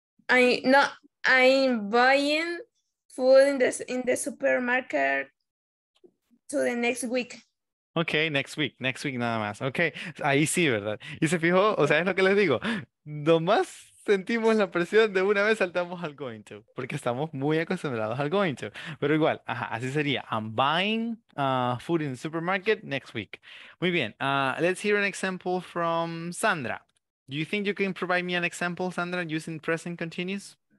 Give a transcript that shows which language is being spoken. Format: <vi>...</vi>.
<en>I'm buying food in the supermarket to the next week.</en> <es>Okay, next week nada más. Okay, ahí sí, ¿verdad? Y se fijó, o sea, es lo que les digo. Nomás sentimos la presión de una vez saltamos al going to, porque estamos muy acostumbrados al going to. Pero igual, así sería.</es> <en>I'm buying food in the supermarket next week.</en> <es>Muy bien,</es> <en>let's hear an example from Sandra. Do you think you can provide me an example, Sandra, using present continuous?</en>